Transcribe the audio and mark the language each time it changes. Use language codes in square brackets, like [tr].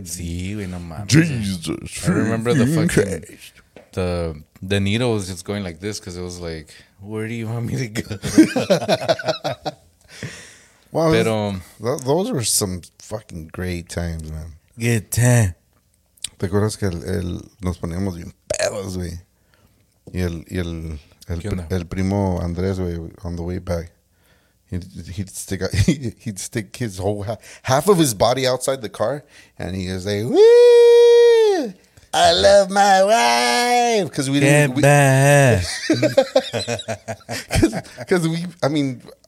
[es] Sí, güey. No mames. [en] Jesus. I remember the fucking... Christ. The needle was just going like this because it was like, where do you want me to go? Well, pero, those were some fucking great times, man. Good time. [es] ¿Te acuerdas que nos poníamos bien pedos, güey? Y el primo Andrés, güey, [en] on the way back. He'd stick his whole half of his body outside the car, and he was like, "Woo! I love my wife." Because we didn't.